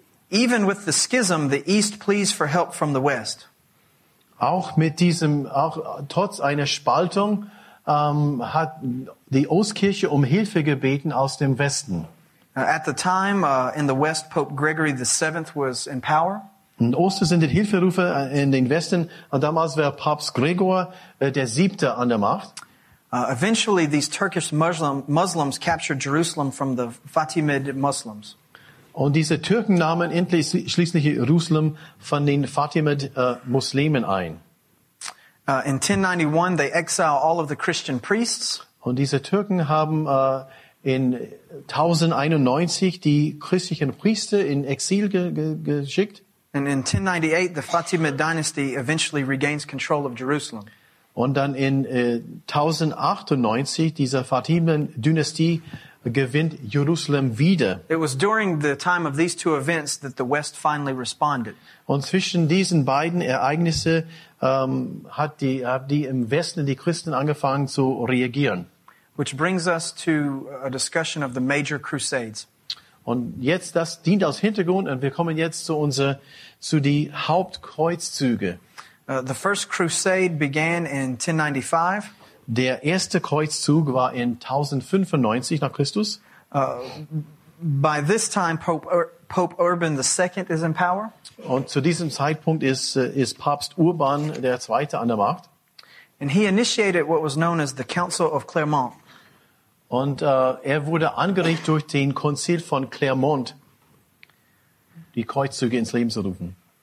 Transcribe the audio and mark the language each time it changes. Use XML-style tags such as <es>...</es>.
<en>Even with the schism, the East pleads for help from the West.</en> <de>Auch mit diesem, auch trotz einer Spaltung, hat die Ostkirche um Hilfe gebeten aus dem Westen.</de> <en>At the time, in the West, Pope Gregory the VII was in power.</en> <de>Und Osten sind die Hilferufe in den Westen, und damals war Papst Gregor der Siebte an der Macht.</de> <en>Eventually, these Turkish Muslims captured Jerusalem from the Fatimid Muslims.</en> <de>Und diese Türken nahmen endlich schließlich Jerusalem von den Fatimid Muslimen ein.</de> <en>In 1091, they exiled all of the Christian priests.</en> <de>Und diese Türken haben in 1091 die christlichen Priester in Exil geschickt.</de> <en>And in 1098, the Fatimid dynasty eventually regains control of Jerusalem.</en> <de>Und dann in 1098, diese Fatimid-Dynastie gewinnt Jerusalem wieder.</de> <en>It was during the time of these two events that the West finally responded.</en> <de>Und zwischen diesen beiden Ereignissen hat die im Westen die Christen angefangen zu reagieren.</de> <en>Which brings us to a discussion of the major crusades.</en> <de>Und jetzt, das dient als Hintergrund, und wir kommen jetzt zu die Hauptkreuzzüge.</de> <en>The first crusade began in 1095.</en> <de>Der erste Kreuzzug war in 1095 nach Christus.</de> <en>By this time, Pope Urban II is in power.</en> <de>Und zu diesem Zeitpunkt ist Papst Urban der Zweite an der Macht.</de> <en>And he initiated what was known as the Council of Clermont.</en> <de>Und er wurde angeregt durch den Konzil von Clermont, die Kreuzzüge ins Leben zu rufen.</de>